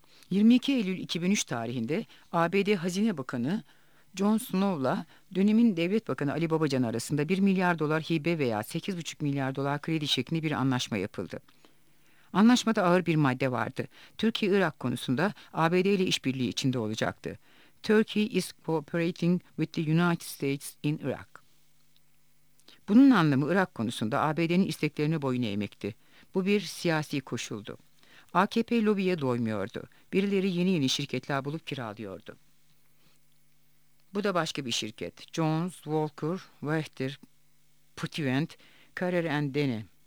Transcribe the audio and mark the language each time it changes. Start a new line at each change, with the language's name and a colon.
Turkish: 22 Eylül 2003 tarihinde ABD Hazine Bakanı John Snow'la dönemin Devlet Bakanı Ali Babacan arasında 1 milyar dolar hibe veya 8,5 milyar dolar kredi şeklinde bir anlaşma yapıldı. Anlaşmada ağır bir madde vardı. Türkiye-Irak konusunda ABD ile işbirliği içinde olacaktı.
English: Turkey is cooperating with the United States in Iraq.
Turkish: Bunun anlamı Irak konusunda ABD'nin isteklerine boyun eğmekti. Bu bir siyasi koşuldu. AKP lobiye doymuyordu. Birileri yeni yeni şirketler bulup kiralıyordu. Bu da başka bir şirket. Jones, Walker, Wachter, Putient, Carrier & Dene.